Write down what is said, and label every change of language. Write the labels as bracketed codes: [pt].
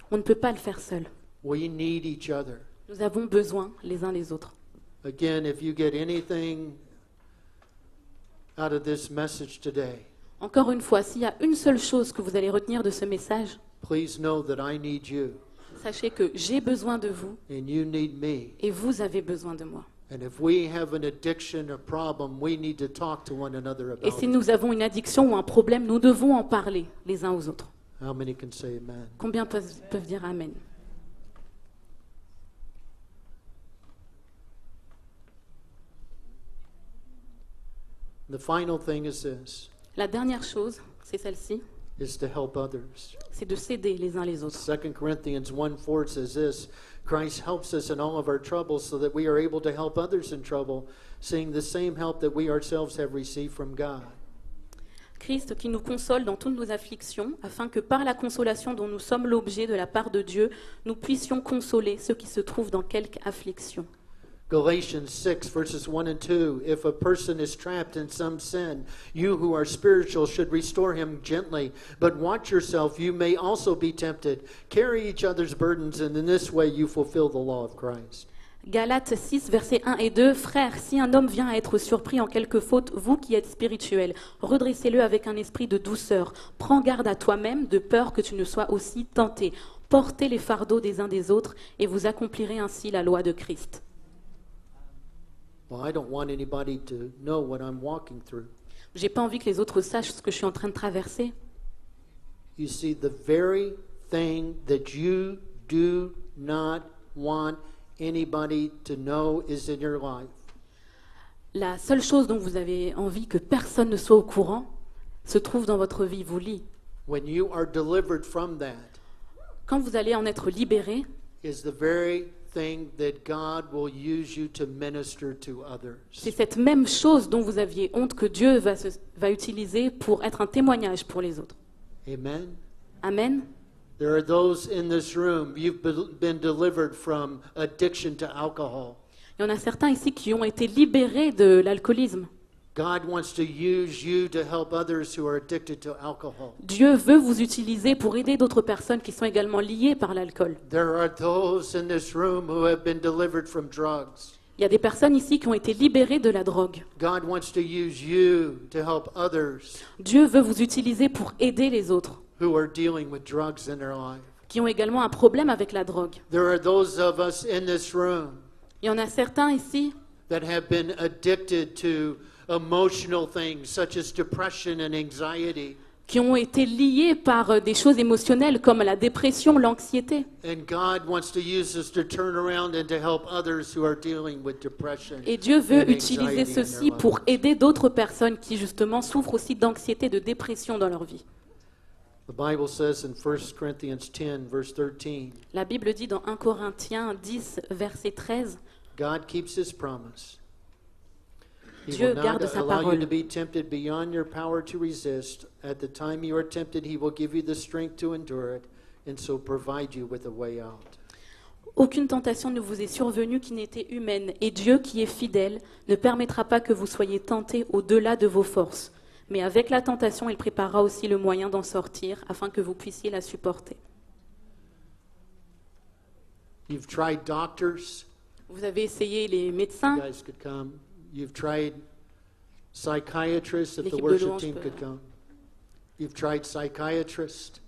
[fr] On ne peut pas le faire seul. [en] We need each other. [fr] Nous avons besoin les uns des autres. [en] Again, if you get anything out of this message today, [fr] encore une fois, s'il y a une seule chose que vous allez retenir de ce message, [en] please know that I need you. [fr] Sachez que j'ai besoin de vous. [en] And you need me. [fr] Et vous avez besoin de moi. [en] And if we have an addiction or problem, we need to talk to one another about it. [fr] Et si nous avons une addiction ou un problème, nous devons en parler les uns aux autres. [en] How many can say amen? [fr] Combien peuvent dire amen? [en] The final thing is this. [fr] La dernière chose, c'est celle-ci. [en] Is to help others. [fr] C'est de s'aider les uns les autres. [en] 2 Corinthians 1:4 says this: Christ helps us in all of our troubles so that we are able to help others in trouble, seeing the same help that we ourselves have received from God. [fr] Christ qui nous console dans toutes nos afflictions, afin que par la consolation dont nous sommes l'objet de la part de Dieu, nous puissions consoler ceux qui se trouvent dans quelque affliction. [en] Galatians 6, verses 1 and 2. If a person is trapped in some sin, you who are spiritual should restore him gently. But watch yourself, you may also be tempted. Carry each other's burdens, and in this way you fulfill the law of Christ. [fr] Galates 6, versets 1 et 2. Frères, si un homme vient à être surpris en quelque faute, vous qui êtes spirituels, redressez-le avec un esprit de douceur. Prends garde à toi-même, de peur que tu ne sois aussi tenté. Portez les fardeaux des uns des autres, et vous accomplirez ainsi la loi de Christ. [en] Well, I don't want anybody to know what I'm walking through. [fr] J'ai pas envie que les autres sachent ce que je suis en train de traverser. [en] You see, the very thing that you do not want anybody to know is in your life. [fr] La seule chose dont vous avez envie que personne ne soit au courant se trouve dans votre vie, vous lit. [en] When you are delivered from that, [fr] quand vous allez en être libéré, [en] is the very thing that God will use you to minister to others. [fr] C'est cette même chose dont vous aviez honte que Dieu va utiliser pour être un témoignage pour les autres. [en] Amen. [fr] Amen. [en] There are those in this room, you've been delivered from addiction to alcohol. [fr] Il y en a certains ici qui ont été libérés de l'alcoolisme. [en] God wants to use you to help others who are addicted to alcohol. [fr] Dieu veut vous utiliser pour aider d'autres personnes qui sont également liées par l'alcool. [en] There are those in this room who have been delivered from drugs. [fr] Il y a des personnes ici qui ont été libérées de la drogue. [en] God wants to use you to help others. [fr] Dieu veut vous utiliser pour aider les autres. [en] Who are dealing with drugs in their life. [fr] Qui ont également un problème avec la drogue. [en] There are those of us in this room. [fr] Il y en a certains ici. [en] That have been addicted to emotional things such as depression and anxiety. [fr] qui ont été liées par des choses émotionnelles comme la dépression, l'anxiété. [en] And God wants to use us to turn around and to help others who are dealing with depression. [fr] Et Dieu veut utiliser ceci pour aider d'autres personnes qui justement souffrent aussi d'anxiété, de dépression dans leur vie. [en] The Bible says in 1 Corinthians 10 verse 13. [fr] La Bible dit dans 1 Corinthiens 10 verset 13. [en] God keeps his promise. [fr] Dieu garde sa parole. [en] He will not allow you to be tempted beyond your power to resist. At the time you are tempted, he will give you the strength to endure it and so provide you with a way out. [fr] Aucune tentation ne vous est survenue qui n'était humaine, et Dieu qui est fidèle ne permettra pas que vous soyez tentés au-delà de vos forces. Mais avec la tentation, il préparera aussi le moyen d'en sortir afin que vous puissiez la supporter. [en] You've tried doctors. [fr] Vous avez essayé les médecins. [en] You guys could come. You've tried psychiatrists if the worship team could come. You've tried psychiatrists.